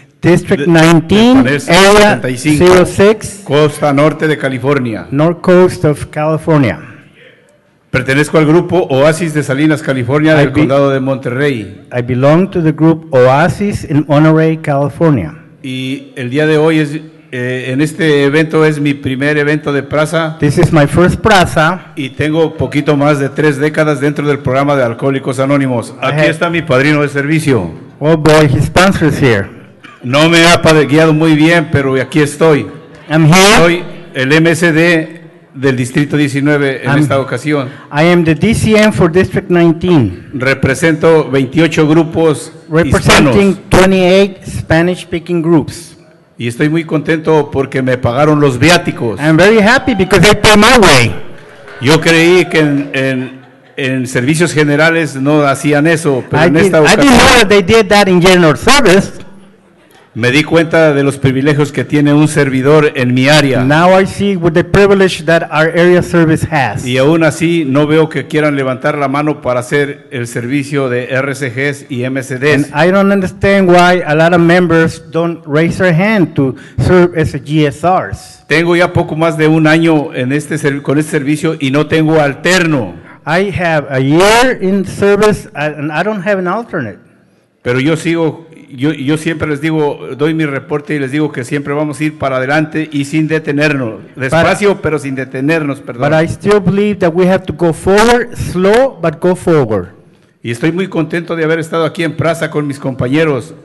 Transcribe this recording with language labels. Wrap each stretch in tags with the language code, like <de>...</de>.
<en>District 19, de Area 75, 06.</en> <es>Costa Norte de California.</es> <en>North Coast of California.</en> <es>Pertenezco al grupo Oasis de Salinas, California, del condado de Monterrey.</es> <en>I belong to the group Oasis in Monterey, California.</en> <es>Y el día de hoy es, en este evento es mi primer evento de PRASA.</es> <en>This is my first PRASA.</en> <es>Y tengo poquito más de tres décadas dentro del programa de Alcohólicos Anónimos. Aquí está mi padrino de servicio.</es> <en>Oh boy, his sponsor is here.</en> <es>No me ha guiado muy bien, pero aquí estoy.</es> <en>I'm here.</en> <es>Soy el MSD del distrito 19 en esta ocasión.</es> <en>I am the DCM for District 19.</en> <es>Represento 28 grupos</es> <en>representing</en> <es>hispanos.</es> <en>28 Spanish speaking groups.</en> <es>Y estoy muy contento porque me pagaron los viáticos.</es> <en>I'm very happy because they paid my way.</en> <es>Yo creí que en servicios generales no hacían eso, pero</es> <en>I</en> <es>en esta</es> <en>did,</en> <es>ocasión</es> <en>I didn't know that they did that in general service.</en> <es>Me di cuenta de los privilegios que tiene un servidor en mi área.</es> <en>Now I see what the privilege that our area service has.</en> <es>Y aún así no veo que quieran levantar la mano para hacer el servicio de RCGs y MSDs.</es> <en>And I don't understand why a lot of members don't raise their hand to serve as GSRs.</en> <es>Tengo ya poco más de un año en este con este servicio y no tengo alterno.</es> <en>I have a year in service and I don't have an alternate.</en> <es>Pero yo sigo. Yo siempre les digo, doy mi reporte y les digo que siempre vamos a ir para adelante y sin detenernos. Despacio, pero sin detenernos, perdón.</es> <en>But I still believe that we have to go forward, slow, but go forward.</en> <es>Y estoy muy contento de haber estado aquí en Plaza con mis compañeros,</es>